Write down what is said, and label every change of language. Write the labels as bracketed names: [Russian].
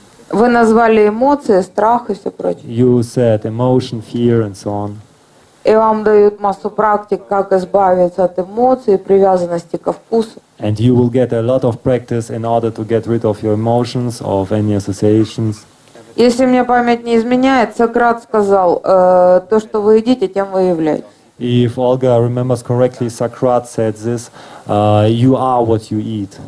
[Russian] Вы назвали эмоции, страх и все прочее. [English] You said emotion, fear and so on. [Russian] И вам дают массу практик, как избавиться от эмоций, привязанности ко вкусу. [English] And you will get a lot of practice in order to get rid of your emotions or of any associations. [Russian] Если мне память не изменяет, Сократ сказал, то, что вы едите, тем вы являетесь. [English] If Olga remembers correctly, Socrates said this, you are what you eat.